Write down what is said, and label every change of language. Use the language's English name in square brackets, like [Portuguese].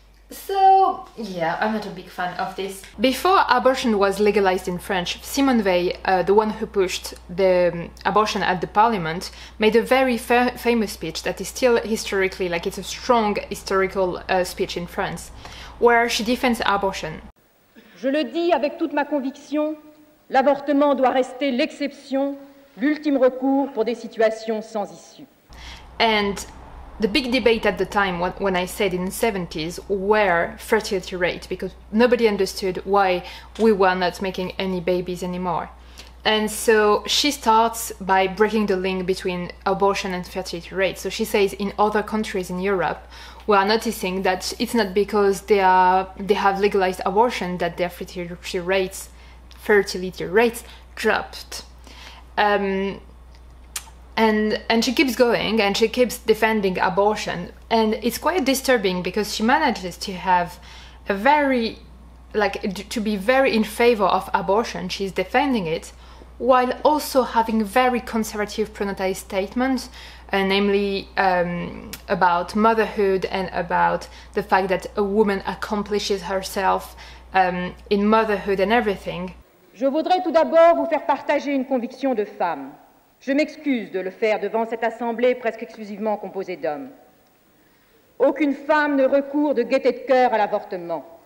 [English] So, yeah, I'm not a big fan of this. Before abortion was legalized in France, Simone Veil, the one who pushed the abortion at the parliament, made a very famous speech that is still historically, like, it's a strong historical speech in France, where she defends abortion. [French] Je le dis avec toute ma conviction, l'avortement doit rester l'exception, l'ultime recours pour des situations sans issue. [English] And the big debate at the time, when I said in the 70s, were fertility rate, because nobody understood why we were not making any babies anymore. And so she starts by breaking the link between abortion and fertility rate. So she says, in other countries in Europe, we are noticing that it's not because they have legalized abortion that their fertility rates dropped. And she keeps going and she keeps defending abortion, and it's quite disturbing because she manages to have a very, like, to be very in favor of abortion, she's defending it, while also having very conservative pronatalist statements, namely about motherhood and about the fact that a woman accomplishes herself in motherhood and everything. [French] Je voudrais tout d'abord vous faire partager une conviction de femme. Je m'excuse de le faire devant cette assemblée presque exclusivement composée d'hommes. Aucune femme ne recourt de gaieté de cœur à l'avortement.